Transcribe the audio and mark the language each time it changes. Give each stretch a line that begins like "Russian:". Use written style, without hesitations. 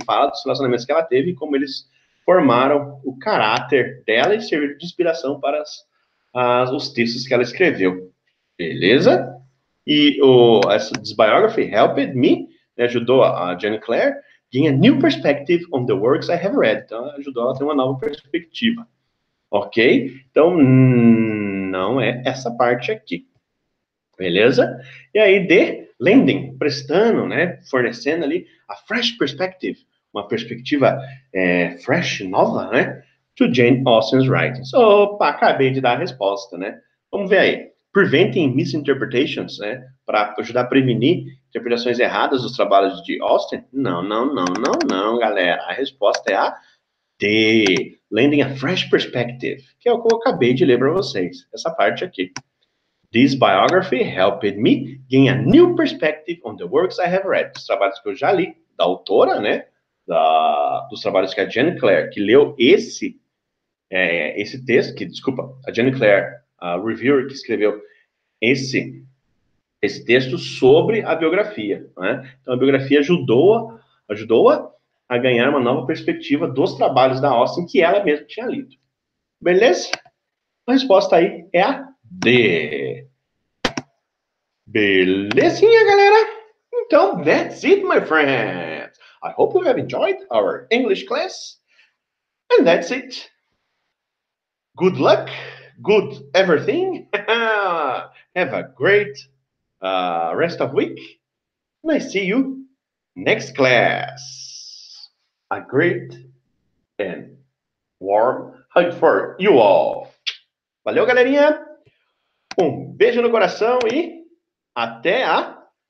Portuguese: Fala dos relacionamentos que ela teve e como eles formaram o caráter dela e serviram de inspiração para os textos que ela escreveu. Beleza?
English: E this biography helped me, né,
Portuguese: ajudou a
English: Jane Clare gain a new perspective on the works I have read.
Portuguese: Então, ajudou ela a ter uma nova perspectiva. Ok? Então, não é essa parte aqui. Beleza? E aí, de
English: lending,
Portuguese: prestando, né, fornecendo ali
English: a fresh perspective,
Portuguese: uma perspectiva fresh, nova, né,
English: to Jane Austen's writings.
Portuguese: Opa, acabei de dar a resposta, né? Vamos ver aí.
English: Preventing misinterpretations,
Portuguese: né, para ajudar a prevenir interpretações erradas dos trabalhos de Austen? Não, galera. A resposta é a D.
English: Lending a fresh perspective,
Portuguese: que é o que eu acabei de ler para vocês. Essa parte aqui.
English: This biography helped me gain a new perspective on the works I have read.
Portuguese: Os trabalhos que eu já li, da autora, né? Dos trabalhos que a Jane Clare, que leu esse esse texto, que, desculpa, a Jenny Claire, a reviewer que escreveu esse texto sobre a biografia, né? Então, a biografia ajudou-a a ganhar uma nova perspectiva dos trabalhos da Austin que ela mesma tinha lido. Beleza? A resposta aí é a D. Belezinha, galera? Então,
English: that's it, my friends. I hope you have enjoyed our English class. And that's it. Good luck. Good everything. Have a great rest of week. And I see you next class. A great and warm hug for you all.
Portuguese: Valeu, galerinha. Um beijo no coração e até a próxima.